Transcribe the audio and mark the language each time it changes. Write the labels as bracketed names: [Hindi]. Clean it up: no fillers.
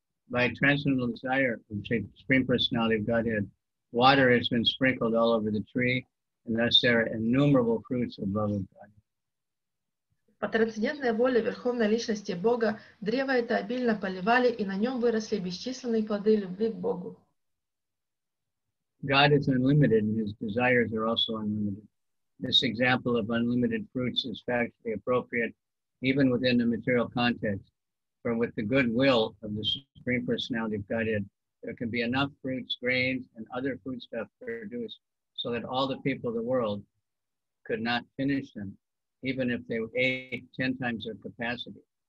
[English] By transcendental desire of the Supreme Personality of Godhead, water has been sprinkled all over the tree, and thus there are innumerable fruits of love of God. [Russian] По трансцендентной воле Верховной Личности Бога древо это обильно поливали, и на нем выросли бесчисленные плоды любви к Богу. [English] God is unlimited, and his desires are also unlimited. This example of unlimited fruits is factually appropriate even within the material context, for with the good will of the Supreme Personality of Godhead, there can be enough fruits, grains, and other foodstuff produced so that all the people of the world could not finish them, even if they ate 10 times their capacity.